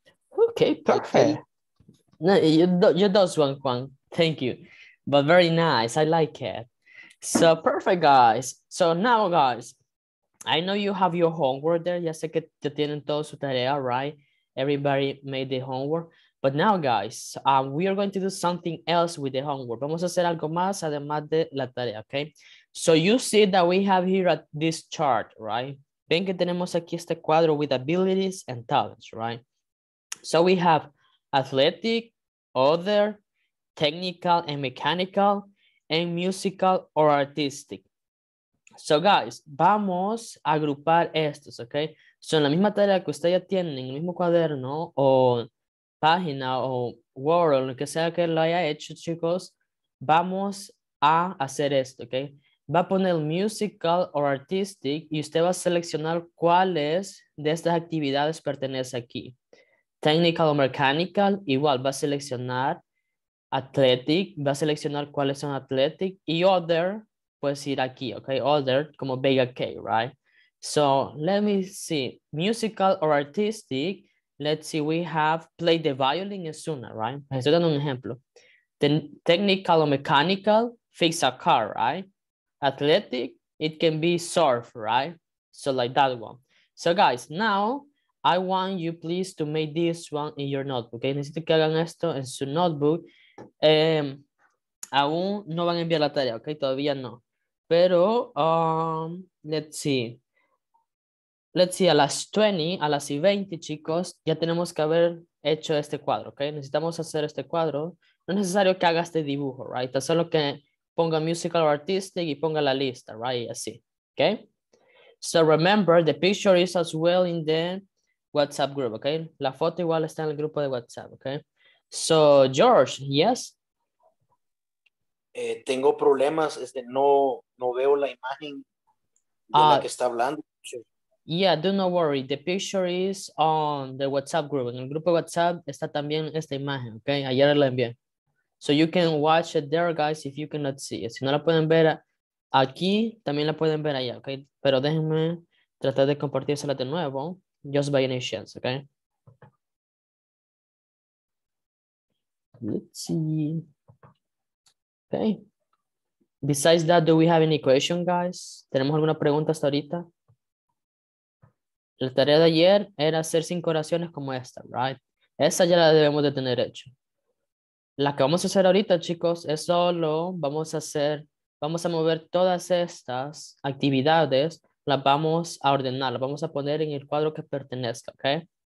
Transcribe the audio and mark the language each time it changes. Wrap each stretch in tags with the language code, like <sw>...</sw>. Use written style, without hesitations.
<en>Okay, perfect. Okay. No, you does one, Juan. Thank you. But very nice. I like it. So perfect, guys. So now, guys, I know you have your homework there.</en> <es>Ya sé que tienen todos su tarea, right?</es> <en>Everybody made the homework. But now, guys, we are going to do something else with the homework.</en> <es>Vamos a hacer algo más además de la tarea, okay?</es> <en>So you see that we have here at this chart, right?</en> <es>Ven que tenemos aquí este cuadro</es> <en>with abilities and talents,</en> <es>right?</es> <en>So we have athletic, other, technical and mechanical, and musical or artistic.</en> <es>So guys, vamos a agrupar estos, ¿ok? So en la misma tarea que usted ya tiene, en el mismo cuaderno o página o Word, o lo que sea que lo haya hecho, chicos, vamos a hacer esto, ¿ok? Va a poner musical or artistic y usted va a seleccionar cuáles de estas actividades pertenece aquí. Technical o mechanical, igual va a seleccionar athletic, va a seleccionar cuáles son athletic y other, puedes ir aquí, ok, other, como Vega K, right?</es> <en>So, let me see, musical or artistic, let's see, we have play the violin es una, right?</en> <es>Estoy dando un ejemplo.</es> <en>Then technical or mechanical, fix a car, right? Athletic, it can be surf, right? So like that one. So guys, now I want you please to make this one in your notebook.</en> <es>Okay, necesito que hagan esto en su notebook. Aún no van a enviar la tarea, okay? Todavía no. Pero let's see, a las 20, a las 20, chicos, ya tenemos que haber hecho este cuadro, okay? Necesitamos hacer este cuadro. No es necesario que haga este dibujo, right? Es solo que ponga musical or artistic y ponga la lista, right? Así, okay?</es> <en>So remember, the picture is as well in the WhatsApp group, okay?</en> <es>La foto igual está en el grupo de WhatsApp, okay?</es> <en>So, George, yes?</en> <es>Tengo problemas, no veo la imagen de la que está hablando.</es> <en>Yeah, do not worry. The picture is on the WhatsApp group.</en> <es>En el grupo de WhatsApp está también esta imagen, okay? Ayer la envié.</es> <en>So you can watch it there, guys, if you cannot see it.</en> <es>Si no la pueden ver aquí, también la pueden ver allá, okay? Pero déjenme tratar de compartírsela de nuevo,</es> <en>just by any chance,</en> <es>okay?</es> <en>Let's see. Okay. Besides that, do we have any question, guys?</en> <es>¿Tenemos alguna pregunta hasta ahorita? La tarea de ayer era hacer 5 oraciones como esta, right? Esa ya la debemos de tener hecho. La que vamos a hacer ahorita, chicos, es solo, vamos a mover todas estas actividades, las vamos a ordenar, las vamos a poner en el cuadro que pertenezca, ¿ok?</es>